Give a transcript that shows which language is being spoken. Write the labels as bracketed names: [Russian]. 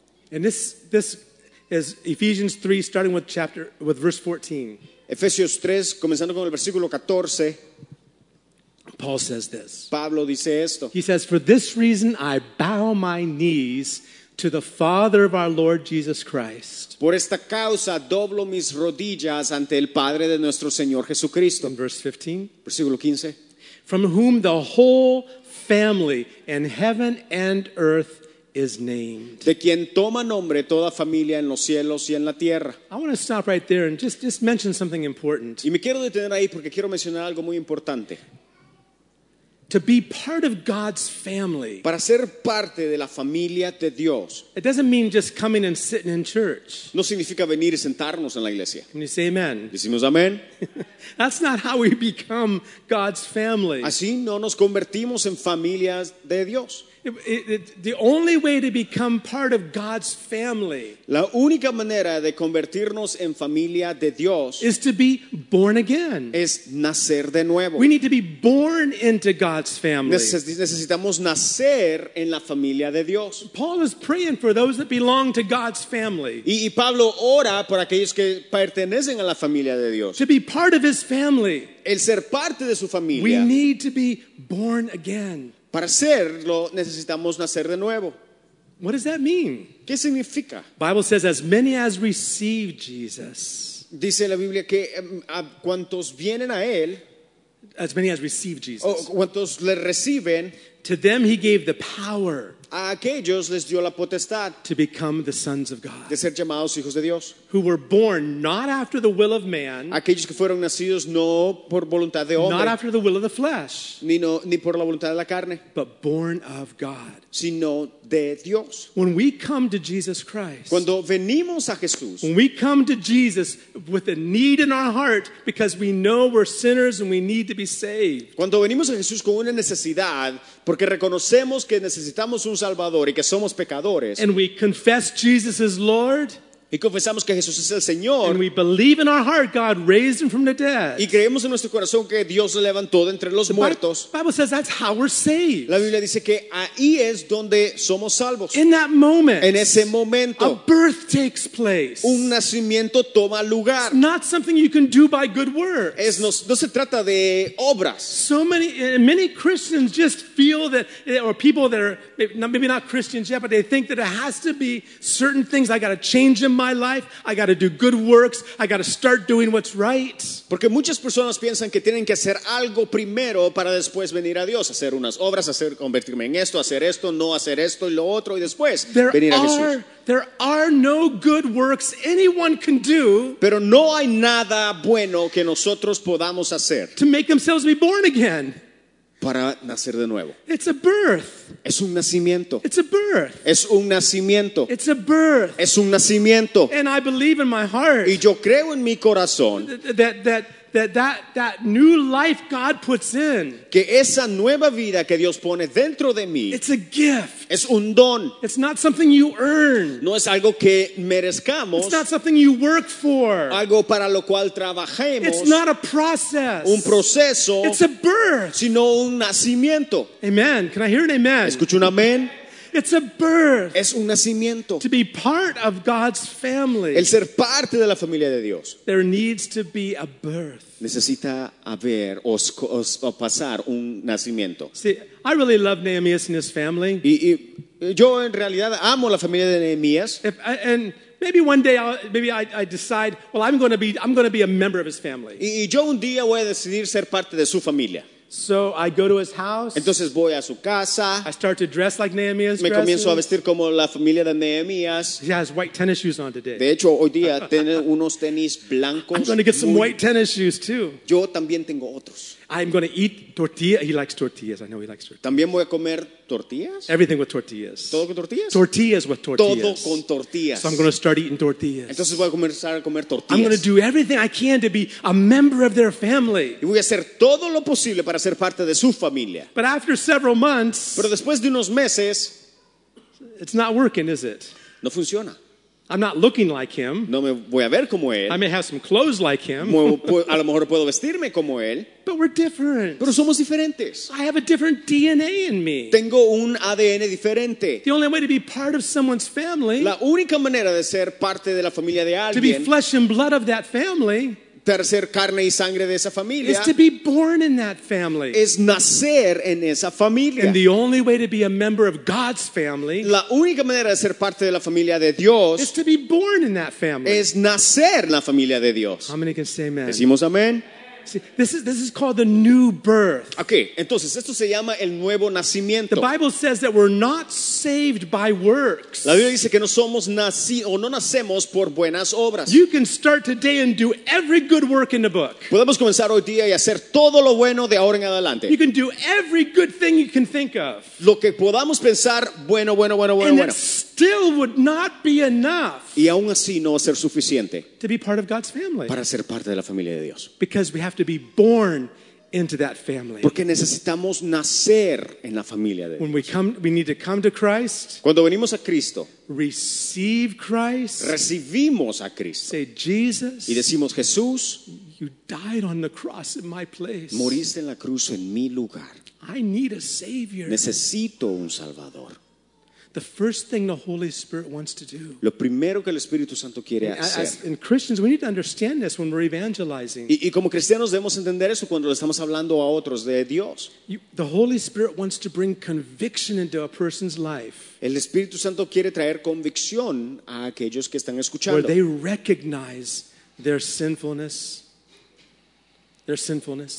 [English] And this is Ephesians 3 starting with verse 14. [Spanish] Efesios 3 comenzando con el versículo 14. [English] Paul says this. [Spanish] Pablo dice esto. [English] He says, "For this reason I bow my knees to the Father of our Lord Jesus Christ." [Spanish] Por esta causa doblo mis rodillas ante el Padre de nuestro Señor Jesucristo. [English] In verse 15. [Spanish] Versículo 15. [English] "From whom the whole family in heaven and earth is named." [Spanish] De quien toma nombre toda familia en los cielos y en la tierra. [English] I want to stop right there and just mention something important. [Spanish] Y me quiero detener ahí porque quiero mencionar algo muy importante. [English] To be part of God's family. [Spanish] Para ser parte de la familia de Dios. [English] It doesn't mean just coming and sitting in church. [Spanish] No significa venir y sentarnos en la iglesia. [English] Can you say amen? [Spanish] Decimos amén. [English] That's not how we become God's family. [Spanish] Así no nos convertimos en familias de Dios. [English] The only way to become part of God's family. [Spanish] La única manera de convertirnos en familia de Dios [English] is to be born again. [Spanish] Es nacer de nuevo. [English] We need to be born into God's family. [Spanish] Necesitamos nacer en la familia de Dios. [English] Paul is praying for those that belong to God's family. [Spanish] Y Pablo ora por aquellos que pertenecen a la familia de Dios. [English] To be part of his family. [Spanish] El ser parte de su familia. [English] We need to be born again. [Spanish] Para hacerlo, necesitamos nacer de nuevo. [English] What does that mean? [Spanish] ¿Qué significa? [English] Bible says, as many as receive Jesus. [Spanish] Dice la Biblia que a cuantos vienen a él. [English] As many as receive Jesus. [Spanish] O cuantos le reciben. [English] To them he gave the power. [Spanish] A aquellos les dio la potestad. [English] To become the sons of God. [Spanish] De ser llamados hijos de Dios. [English] Who were born not after the will of man. [Spanish] Aquellos que fueron nacidos no por voluntad de hombre. [English] Not after the will of the flesh. [Spanish] Ni, no, ni por la voluntad de la carne. [English] But born of God. [Spanish] Sino de Dios. [English] When we come to Jesus Christ. [Spanish] Cuando venimos a Jesús. [English] When we come to Jesus with a need in our heart because we know we're sinners and we need to be saved. [Spanish] Cuando venimos a Jesús con una necesidad porque reconocemos que necesitamos un Salvador y que somos pecadores. [English] And we confess Jesus as Lord. [Spanish] Y confesamos que Jesús es el Señor. [English] And we believe in our heart God raised him from the dead. [Spanish] Y creemos en nuestro corazón que Dios levantó de entre los muertos. [English] The Bible says that's how we're saved. [Spanish] La Biblia dice que ahí es donde somos salvos. [English] In that moment. [Spanish] En ese momento. [English] A birth takes place. [Spanish] Un nacimiento toma lugar. [English] It's not something you can do by good works. [Spanish] Es no, no se trata de obras. [English] So many, and many Christians just feel that, or people that are maybe not Christians yet, but they think that it has to be certain things I got to change them. My life, I got to do good works, I got to start doing what's right. [Spanish] Porque muchas personas piensan que tienen que hacer algo primero para después venir a Dios, hacer unas obras, hacer convertirme en esto, hacer esto, no hacer esto y lo otro y después [English] there [Spanish] venir [English] are, [Spanish] a Jesús. [English] There are no good works anyone can do. [Spanish] Pero no hay nada bueno que nosotros podamos hacer. [English] To make themselves be born again. [Spanish] Para nacer de nuevo. [English] It's a birth. [Spanish] Es un nacimiento. [English] It's a birth. [Spanish] Es un nacimiento. [English] It's a birth. [Spanish] Es un nacimiento. [English] And I believe in my heart. [Spanish] Y yo creo en mi corazón. [English] That new life God puts in. [Spanish] Que esa nueva vida que Dios pone dentro de mí. [English] It's a gift. [Spanish] Es un don. [English] It's not something you earn. [Spanish] No es algo que merezcamos. [English] It's not something you work for. [Spanish] Algo para lo cual trabajemos. [English] It's not a process. [Spanish] Un proceso. [English] It's a birth. [Spanish] Sino un nacimiento. [English] Amen. Can I hear an amen? [Spanish] Escucho un amén. [English] It's a birth. [Spanish] Es un nacimiento. [English] To be part of God's family. [Spanish] El ser parte de la familia de Dios. [English] There needs to be a birth. [Spanish] Necesita haber o pasar un nacimiento. [English] See, I really love Nehemiah and his family. [Spanish] Y yo en realidad amo la familia de Nehemías. [English] And maybe one day I decide, well, I'm going to be a member of his family. [Spanish] Y yo un día voy a decidir ser parte de su familia. [English] So I go to his house. [Spanish] Entonces voy a su casa. [English] I start to dress like Nehemiah's. [Spanish] Me comienzo a vestir como la familia de Nehemías. [English] He has white tennis shoes on today. [Spanish] De hecho, hoy día tiene unos tenis blancos. [English] I'm going to get some white tennis shoes too. [Spanish] Yo también tengo otros. [English] I'm going to eat tortillas. He likes tortillas. I know he likes tortillas. [Spanish] También voy a comer tortillas. [English] Everything with tortillas. [Spanish] Todo con tortillas. [English] Tortillas with tortillas. [Spanish] Todo con tortillas. [English] So I'm going to start eating tortillas. [Spanish] Entonces voy a comenzar a comer tortillas. [English] I'm going to do everything I can to be a member of their family. [Spanish] Y voy a hacer todo lo posible para ser parte de su familia. [English] But after several months, [Spanish] pero después de unos meses, [English] it's not working, is it? [Spanish] No funciona. [English] I'm not looking like him. [Spanish] No me voy a ver como él. [English] I may have some clothes like him. [Spanish] A lo mejor puedo vestirme como él. [English] But we're different. [Spanish] Pero somos diferentes. [English] I have a different DNA in me. [Spanish] Tengo un ADN diferente. [English] The only way to be part of someone's family. [Spanish] La única manera de ser parte de la familia de alguien. [English] To be flesh and blood of that family. [Spanish] Para ser carne y sangre de esa familia. [English] Is to be born in that family. [Spanish] Es nacer en esa familia. [English] And the only way to be a member of God's family. [Spanish] La única manera de ser parte de la familia de Dios. [English] Is to be born in that family. [Spanish] Es nacer en la familia de Dios. [English] How many can say amen? [Spanish] Decimos amén. [English] See, this is called the new birth. [Spanish] Okay, entonces esto se llama el nuevo nacimiento. [English] The Bible says that we're not saved by works. [Spanish] La Biblia dice que no somos nacidos o no nacemos por buenas obras. [English] You can start today and do every good work in the book. [Spanish] Podemos comenzar hoy día y hacer todo lo bueno de ahora en adelante. [English] You can do every good thing you can think of. [Spanish] Lo que podamos pensar bueno. [English] And it still would not be enough. [Spanish] Y aún así no ser suficiente. [English] To be part of God's family. [Spanish] Para ser parte de la familia de Dios. [English] Because we have to be born into that family. [Spanish] Porque necesitamos nacer en la familia de Dios. [English] When we come, we need to come to Christ. [Spanish] Cuando venimos a Cristo. [English] Receive Christ. [Spanish] Recibimos a Cristo. [English] Say Jesus. [Spanish] Y decimos Jesús. [English] You died on the cross in my place. [Spanish] Moriste en la cruz en mi lugar. [English] I need a Savior. [Spanish] Necesito un Salvador. [English] The first thing the Holy Spirit wants to do. [Spanish] Lo primero que el Espíritu Santo quiere hacer. [English] And Christians, we need to understand this when we're evangelizing. [Spanish] Y como cristianos debemos entender eso cuando le estamos hablando a otros de Dios. [English] The Holy Spirit wants to bring conviction into a person's life. [Spanish] El Espíritu Santo quiere traer convicción a aquellos que están escuchando. [English] Where they recognize their sinfulness. Their sinfulness.